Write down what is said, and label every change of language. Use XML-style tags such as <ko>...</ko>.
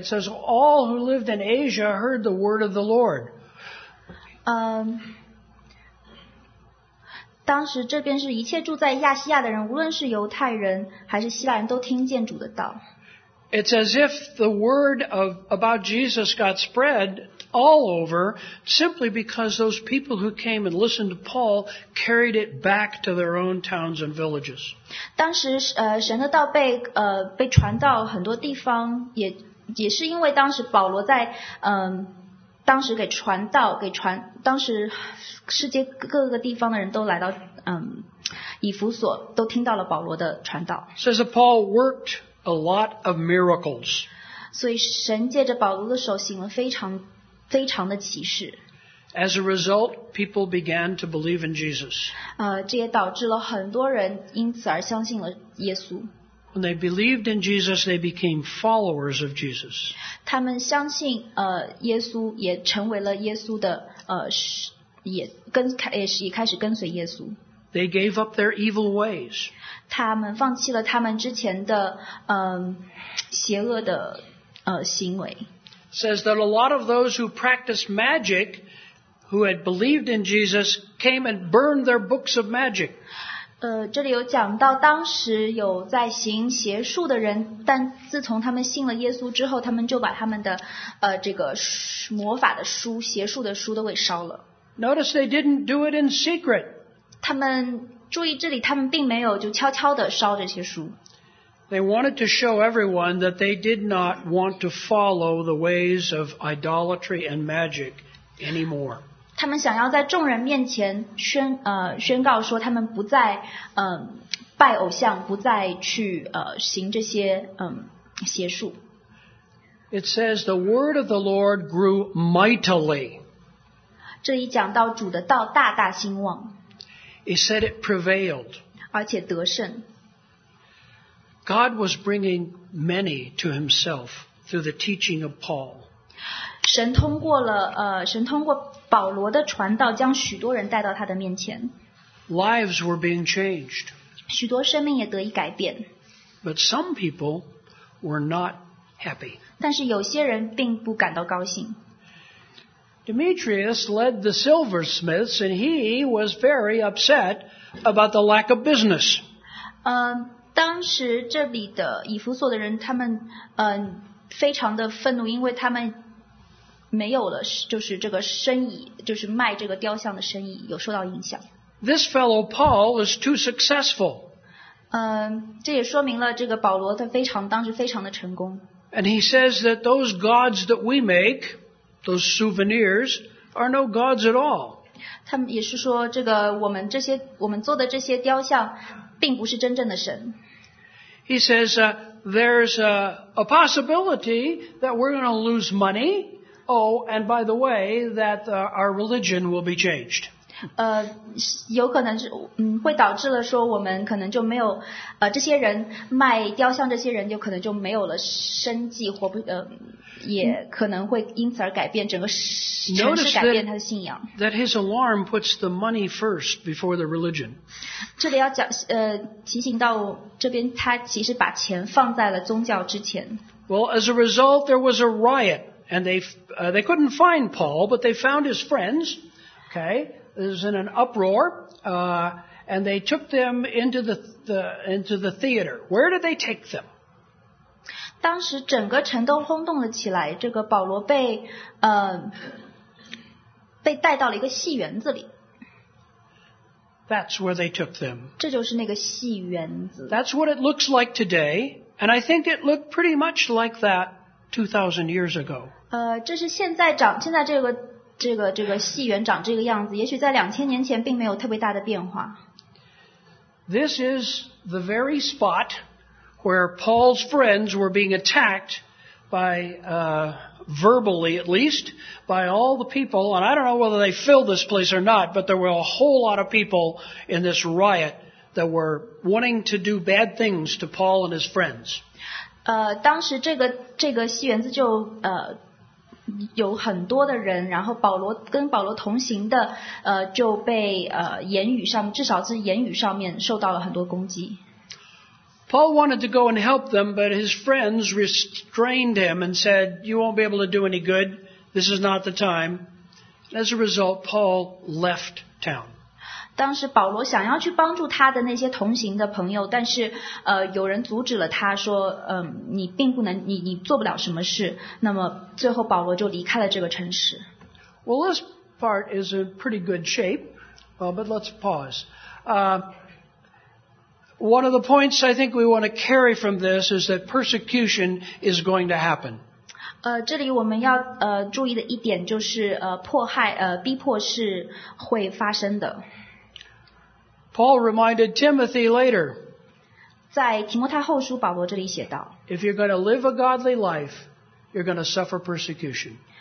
<en>It says, "All who lived in Asia heard the word of the Lord."</en> <zh>当时这边是一切住在亚细亚的人，无论是犹太人还是希腊人，都听见主的道。</zh> <en>It's as if the word about Jesus got spread all over simply because those people who came and listened to Paul carried it back to their own towns and villages.</en> <zh>当时神的道被传到很多地方，也是因为当时保罗在当时给传道，给传，当时世界各个地方的人都来到以弗所，都听到了保罗的传道。</zh> <en>Says that Paul worked a lot of miracles.</en> <zh>所以神借着保罗的手行了非常非常的奇事。</zh> <en>As a result, people began to believe in Jesus.</en> <zh>这也导致了很多人因此而相信了耶稣。</zh> <en>When they believed in Jesus, they became followers of Jesus.</en> <zh>他们相信耶稣，也成为了耶稣的也开始跟随耶稣。</zh> <en>They gave up their evil ways.</en> <zh>他们放弃了他们之前的邪恶的行为。</zh> <en>Says that a lot of those who practiced magic, who had believed in Jesus, came and burned their books of magic.</en> <zh>这里有讲到当时有在行邪术的人，但自从他们信了耶稣之后，他们就把他们的这个魔法的书、邪术的书都给烧了。</zh> <en>Notice they didn't do it in secret.</en> <zh>他们注意这里，他们并没有就悄悄地烧这些书。</zh> <en>They wanted to show everyone that they did not want to follow the ways of idolatry and magic anymore.</en> <zh>他们想要在众人面前宣告说他们不再拜偶像，不再去行这些邪术。</zh> <en>It says the word of the Lord grew mightily.</en> <zh>这里讲到主的道大大兴旺。</zh> <en>It said it prevailed.</en> <zh>而且得胜。</zh> <en>God was bringing many to himself through the teaching of Paul.</en> <zh>神通过了神通过保罗的传道将许多人带到他的面前。</zh> <en>Lives were being changed.</en> <zh>许多生命也得以改变。</zh> <en>But some people were not happy.</en> <zh>但是有些人并不感到高兴。</zh> <en>Demetrius led the silversmiths and he was very upset about the lack of business.</en> <zh>当时这里的以弗所的人他们非常的愤怒，因为他们没有了就是这个生意，就是卖这个雕像的生意有受到影响。</zh> <en>This fellow Paul is too successful.</en> <zh>这也说明了这个保罗他非常当时非常的成功。</zh> <en>And he says that those gods that we make,Those souvenirs are no gods at all.</en> <zh>他们也是说这个我们做的这些雕像并不是真正的神。</zh> <en>He says, there's a possibility that we're going to lose money. Oh, and by the way, that our religion will be changed.</en> <zh>有可能会导致了说我们可能就没有这些人卖雕像这些人就可能就没有了生计活不也可能会因此而改变整个城市，改变他的信仰。</zh> <en>Notice that his alarm puts the money first before the religion.</en> <zh>这里要讲提醒到这边，他其实把钱放在了宗教之前。</zh> <en>Well, as a result, there was a riot, and they couldn't find Paul, but they found his friends. Okay, it was in an uproar, and they took them into the theater. Where did they take them?</en> <zh>当时整个城都轰动了起来，这个保罗被带到了一个戏园子里。</zh> <en>That's where they took them.</en> <zh>这就是那个戏园子。</zh> <en>That's what it looks like today, and I think it looked pretty much like that 2,000 years ago.</en> <zh>这是现在这个戏园长这个样子，也许在2000年前并没有特别大的变化。</zh> <en>This is the very spot. Where Paul's friends were being attacked by, verbally at least, by all the people. And I don't know whether they filled this place or not, but there were a whole lot of people in this riot that were wanting to do bad things to Paul and his friends.</en> <zh>当时这个戏园子就有很多的人，然后跟保罗同行的就被言语上，至少是言语上面受到了很多攻击。</zh> <en>Paul wanted to go and help them, but his friends restrained him and said, "You won't be able to do any good. This is not the time." As a result, Paul left town.</en> <zh>当时保罗想要去帮助他的那些同行的朋友，但是有人阻止了他，说，你并不能，你做不了什么事。那么最后保罗就离开了这个城市。</zh> <en>Well, this part is in pretty good shape. But let's pause. One of the points I think we want to carry from this is that persecution is going to happen.</en> <zh>这里我们要注意的一点就是迫害逼迫是会发生的。</zh> <en>Paul reminded Timothy later.</en> <zh>在提摩太后书保罗这里写道。</zh> <en>If you're going to live a godly life, you're going to suffer persecution.</en>